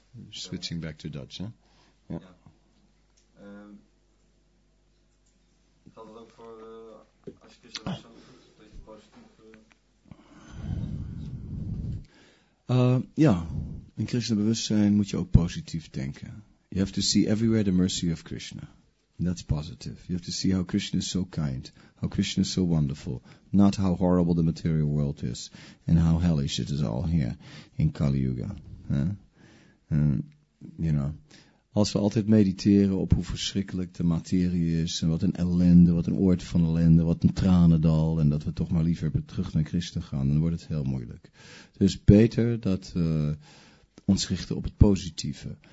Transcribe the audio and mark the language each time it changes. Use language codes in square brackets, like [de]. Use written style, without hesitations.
[en] Switching back to Dutch, hè? [nl] Ja. Geldt dat ook voor als je zo'n goed, dat je positief... Ja, in Krishna bewustzijn moet je ook positief denken. [en] You have to see everywhere the mercy of Krishna. And that's positive. You have to see how Krishna is so kind, how Krishna is so wonderful, not how horrible the material world is, and how hellish it is all here in Kali Yuga. You know, [nl] als we altijd mediteren op hoe verschrikkelijk de materie is, en wat een ellende, wat een oord van ellende, wat een tranendal, en dat we toch maar liever terug naar Krishna gaan, dan wordt het heel moeilijk. Dus beter dat we ons richten op het positieve.